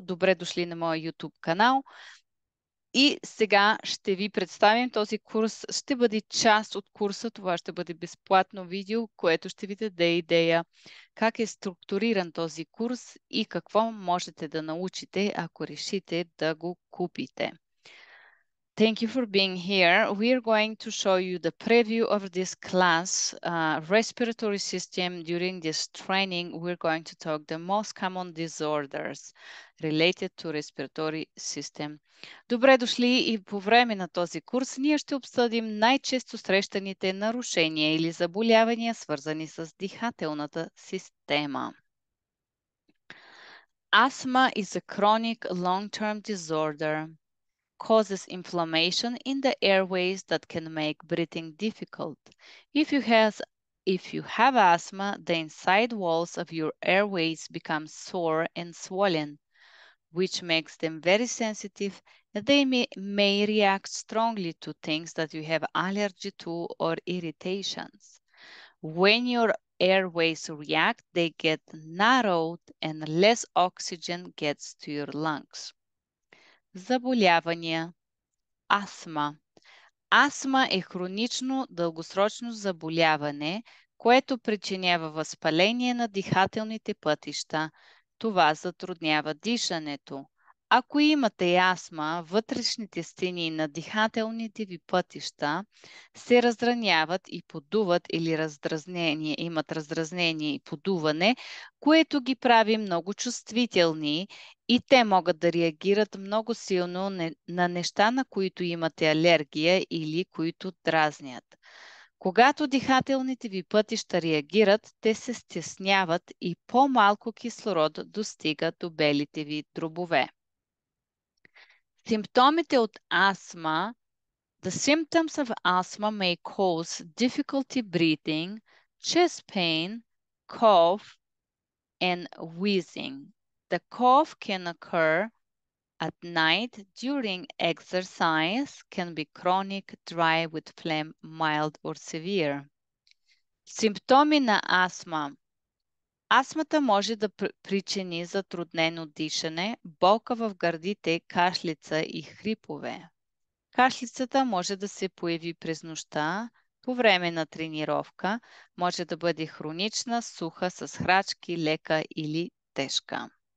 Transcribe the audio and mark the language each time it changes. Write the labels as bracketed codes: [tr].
[bg] Добре дошли на моя YouTube канал. И сега ще ви представим този курс. Ще бъде част от курса. Това ще бъде безплатно видео, което ще ви даде идея как е структуриран този курс и какво можете да научите, ако решите да го купите. [en] Thank you for being here. We are going to show you the preview of this class, respiratory system. During this training, we're going to talk the most common disorders related to respiratory system. [bg] Добре дошли и по време на този курс ние ще обсъдим най-често срещаните нарушения или заболявания, свързани с дихателната система. [en] Asthma is a chronic long-term disorder. Causes inflammation in the airways that can make breathing difficult. If you have asthma, the inside walls of your airways become sore and swollen, which makes them very sensitive, and they may react strongly to things that you have allergy to or irritations. When your airways react, they get narrowed and less oxygen gets to your lungs. [bg] Заболявания. Астма. Астма е хронично дългосрочно заболяване, което причинява възпаление на дихателните пътища. Това затруднява дишането. Ако имате астма, вътрешните стени на дихателните ви пътища се раздраняват и подуват или имат раздразнение и подуване, което ги прави много чувствителни и те могат да реагират много силно на неща, на които имате алергия или които дразнят. Когато дихателните ви пътища реагират, те се стесняват и по-малко кислород достига до белите ви дробове. Симптомите от астма. [en] The symptoms of asthma may cause difficulty breathing, chest pain, cough, and wheezing. The cough can occur at night during exercise, can be chronic, dry with phlegm, mild or severe. [bg] Симптоми на астма. Астмата може да причини затруднено дишане, болка в гърдите, кашлица и хрипове. Кашлицата може да се появи през нощта, по време на тренировка, може да бъде хронична, суха, с храчки, лека или тежка.